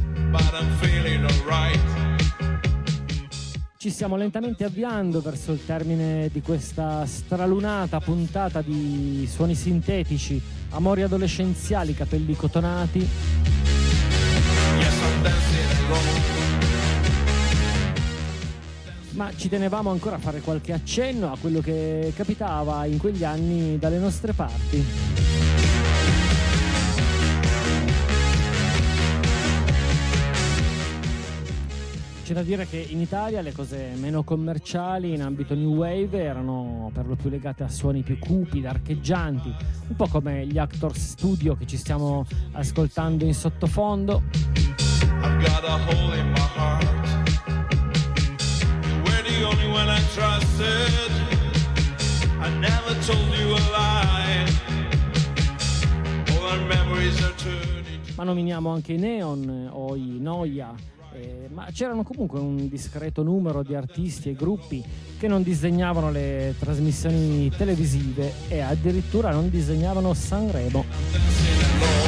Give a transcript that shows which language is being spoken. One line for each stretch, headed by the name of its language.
English: But I'm feeling all right.
Italian: Ci stiamo lentamente avviando verso il termine di questa stralunata puntata di suoni sintetici, amori adolescenziali, capelli cotonati.
English: Yes, I'm dancing alone.
Italian: Ma ci tenevamo ancora a fare qualche accenno a quello che capitava in quegli anni dalle nostre parti. C'è da dire che in Italia le cose meno commerciali in ambito new wave erano per lo più legate a suoni più cupi, archeggianti, un po' come gli Actors Studio che ci stiamo ascoltando in sottofondo.
English: I've got a hole in my heart. You were the only one I trusted. I never told you a lie. All our memories are turning.
Italian: Ma nominiamo anche i Neon o i Noia. Ma c'erano comunque un discreto numero di artisti e gruppi che non disdegnavano le trasmissioni televisive e addirittura non disdegnavano Sanremo.